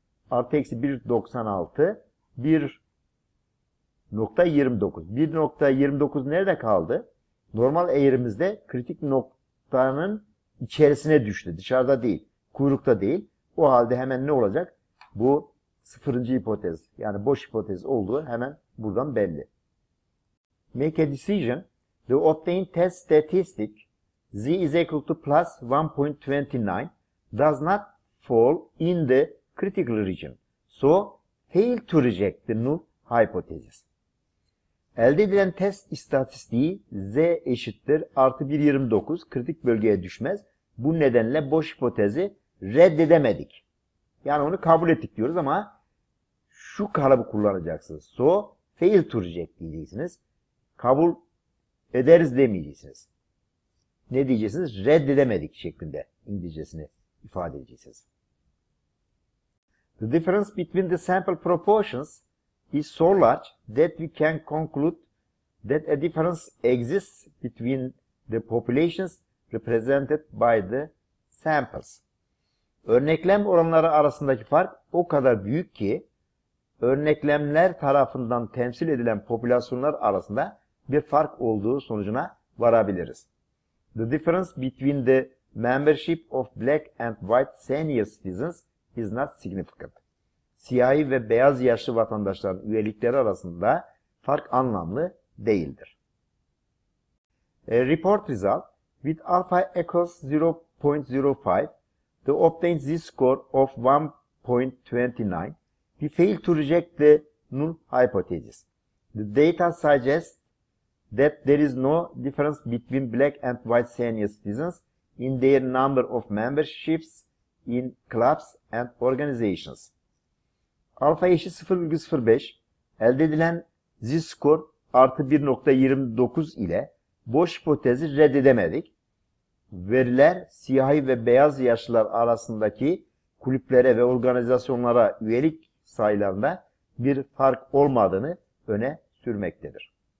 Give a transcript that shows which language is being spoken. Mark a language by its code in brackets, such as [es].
[tr] Artı eksi 1.96, 1.29. 1.29 nerede kaldı? Normal eğrimizde kritik noktanın içerisine düştü. Dışarıda değil, kuyrukta değil. O halde hemen ne olacak? Bu sıfırıncı hipotez, yani boş hipotez olduğu hemen buradan belli. [en] Make a decision. The obtained test statistic Z is equal to plus 1.29 does not fall in the critical region. So, fail to reject the null hypothesis. [tr] Elde edilen test istatistiği Z eşittir artı 1.29 kritik bölgeye düşmez. Bu nedenle boş hipotezi reddedemedik. Yani onu kabul ettik diyoruz ama şu kalıbı kullanacaksınız. [en] So, fail to reject [tr] diyeceksiniz. Kabul ederiz demeyeceksiniz. Ne diyeceksiniz? Reddedemedik şeklinde İngilizcesini ifade edeceksiniz. [en] The difference between the sample proportions is so large that we can conclude that a difference exists between the populations represented by the samples. [tr] Örneklem oranları arasındaki fark o kadar büyük ki örneklemler tarafından temsil edilen popülasyonlar arasında bir fark olduğu sonucuna varabiliriz. [en] The difference between the membership of black and white senior citizens is not significant. [tr] Siyahi ve beyaz yaşlı vatandaşların üyelikleri arasında fark anlamlı değildir. [en] A report result with alpha equals 0.05, the obtained z-score of 1.29, we fail to reject the null hypothesis. The data suggests that there is no difference between black and white senior citizens in their number of memberships in clubs and organizations. [tr] Alpha eşit 0.05, elde edilen z-score artı 1.29 ile boş hipotezi reddedemedik. Veriler siyahi ve beyaz yaşlılar arasındaki kulüplere ve organizasyonlara üyelik sayılarında bir fark olmadığını öne sürmektedir.